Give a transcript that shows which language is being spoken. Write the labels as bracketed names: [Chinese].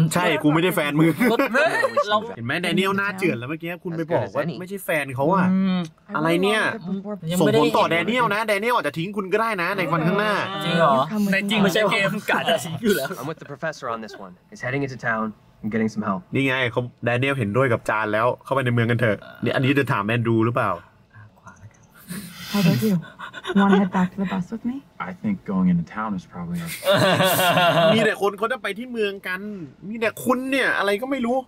[Thai] ใช่กูไม่ได้แฟนมึงเห็นไหมแดเนียลหน้าเจือนแล้วเมื่อกี้คุณไปบอกว่าไม่ใช่แฟนเขาอ่ะอะไรเนี่ยส่งผลต่อแดเนียลนะแดเนียลอาจจะทิ้งคุณก็ได้นะในวันข้างหน้า จริงเหรอ ในจริงไม่ใช่เกมกาจะทิ้งอยู่แล้ว [English] I'm with the professor on this one. He's heading into town. I'm getting some help. [Thai] นี่ไงเขาแดเนียลเห็นด้วยกับจานแล้วเข้าไปในเมืองกันเถอะนี่อันนี้จะถามแมนดูหรือเปล่า [English] How about you? Want to head back to the bus with me? I think going into town is probably okay. [Thai] มีแต่คนเขาจะไปที่เมืองกันมีแต่คุณเนี่ยอะไรก็ไม่รู้